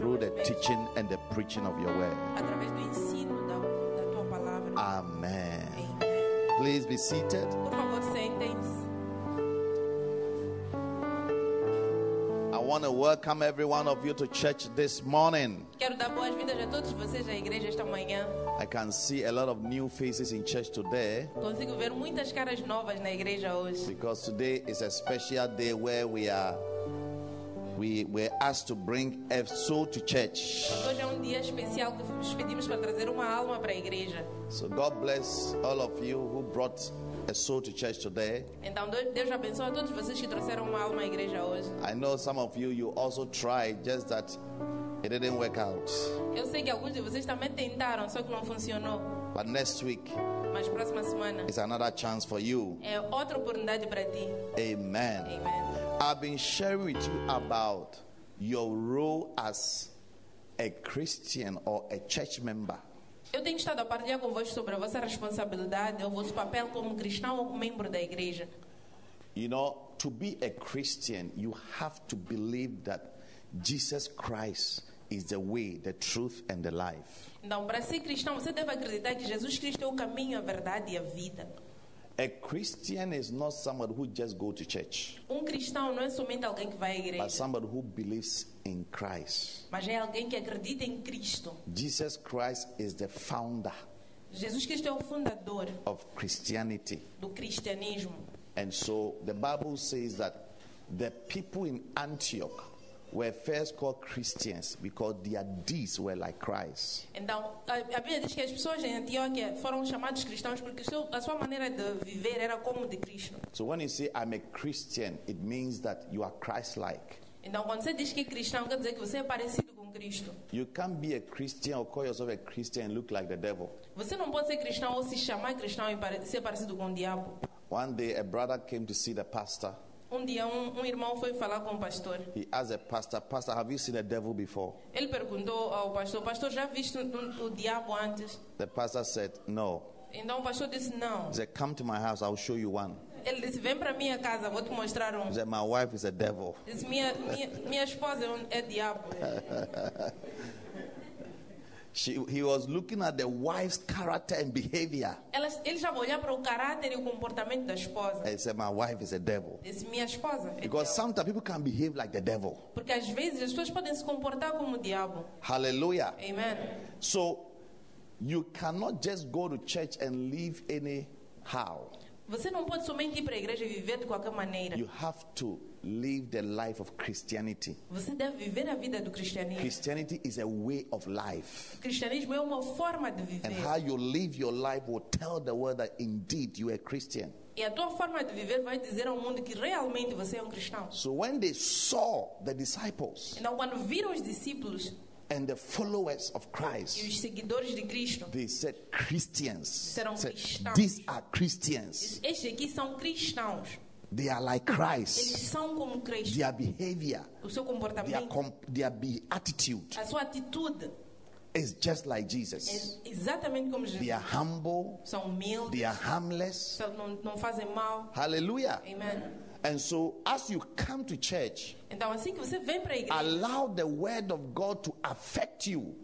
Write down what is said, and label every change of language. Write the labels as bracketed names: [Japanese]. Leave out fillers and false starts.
[English] through the teaching and the preaching of your word. [Portuguese] Através do ensino da tua palavra. [English] Amen. [Portuguese] Amen. [English] Please be seated. [Portuguese] Por favor, sentem-se. [English] I want to welcome every one of you to church this morning. [Portuguese] Quero dar boas-vindas a todos vocês à igreja esta manhã. [English] I can see a lot of new faces in church today. [Portuguese] Consigo ver muitas caras novas na igreja hoje. [English] Because today is a special day where we were asked to bring a soul to church. [Portuguese] Hoje é dia especial que nos pedimos para trazer uma alma para a igreja. [English] So God bless all of you who brought a soul to church today. [Portuguese] Então Deus abençoe a todos vocês que trouxeram uma alma à igreja hoje. [English] I know some of you also tried just that it didn't work out. [Portuguese] Eu sei que alguns de vocês também tentaram, só que não funcionou. [English] But next week, [Portuguese] mas próxima semana, [English] is another chance for you. [Portuguese] É outra oportunidade para ti. [English] Amen. [Portuguese] Amen. [English] I've been sharing with you about your role as a Christian or a church member. [Portuguese] Eu tenho estado a partilhar convosco sobre a vossa responsabilidade, o vosso papel como cristão ou membro da igreja. [English] You know, to be a Christian, you have to believe that Jesus Christ is the way, the truth, and the life. [Portuguese] Então, para ser cristão, você deve acreditar que Jesus Cristo é o caminho, a verdade e a vida. [English] A Christian is not somebody who just goes to church. [Portuguese] Um cristão não é somente alguém que vai à igreja. [English] But somebody who believes in Christ. [Portuguese] Mas é alguém que acredita em Cristo. [English] Jesus Christ is the founder. [Portuguese] Jesus Cristo é o fundador. [English] Of Christianity. [Portuguese] Do cristianismo. [English] And so the Bible says that the people in Antioch were first called Christians because their deeds were like Christ. [Portuguese] Então, a Bíblia diz que as pessoas em Antioquia foram chamadas cristãos porque a sua maneira de viver era como de Cristo. [English] So when you say I'm a Christian, it means that you are Christ-like. [Portuguese] Então, quando você diz que é cristão, quer dizer que você é parecido com Cristo. [English] You can't be a Christian or call yourself a Christian and look like the devil. [Portuguese] Você não pode ser cristão ou se chamar cristão e ser parecido com o diabo. [English] One day, a brother came to see the pastor. [Portuguese] Um dia um irmão foi falar com o pastor. [English] He asked the pastor, "Pastor, have you seen a devil before?" [Portuguese] Ele perguntou ao pastor, "Pastor, já viste o diabo antes?" [English] The pastor said, "No." [Portuguese] Então o pastor disse, "Não." [English] He said, "Come to my house, I'll show you one." [Portuguese] Ele disse, "Vem para minha casa, vou te mostrar um." [English] He said, "My wife is a devil." [Portuguese] Ele disse, minha esposa é diabo. [English] He was looking at the wife's character and behavior. [Portuguese] Ele já olhou para o caráter e o comportamento da esposa. [English] He said, "My wife is a devil." [Portuguese] Disse, minha esposa é [English] Because [Portuguese] diabo. [English] Sometimes people can behave like the devil. [Portuguese] Porque às vezes as pessoas podem se comportar como o diabo. [English] Hallelujah. [Portuguese] Amen. [English] So you cannot just go to church and live anyhow. [Portuguese] Você não pode somente ir para a igreja e viver de qualquer maneira. [English] You have to live the life of Christianity. [Portuguese] Você deve viver a vida do cristianismo. [English] Christianity is a way of life. [Portuguese] O cristianismo é uma forma de viver. [English] And how you live your life will tell the world that indeed you are a Christian. [Portuguese] E a tua forma de viver vai dizer ao mundo que realmente você é um cristão. [English] So when they saw the disciples, [Portuguese] então quando viram os discípulos, [English] and the followers of Christ, [Portuguese] e os seguidores de Cristo, [English] they said Christians. [Portuguese] Disseram cristãos. [English] These are Christians. [Portuguese] Estes aqui são cristãos. [English] They are like Christ. [Portuguese] Eles são como Cristo. [English] Their behavior, [Portuguese] o seu comportamento, [English] their attitude, [Portuguese] a sua atitude, [English] is just like Jesus. [Portuguese] É exatamente como Jesus. [English] They are humble. [Portuguese] São humildes. [English] They are harmless. [Portuguese] Não fazem mal. [English] Hallelujah. [Portuguese] Amen. [English] And so, as you come to church, [Portuguese] então, assim que você vem para a igreja, [English] allow the word of God to affect you.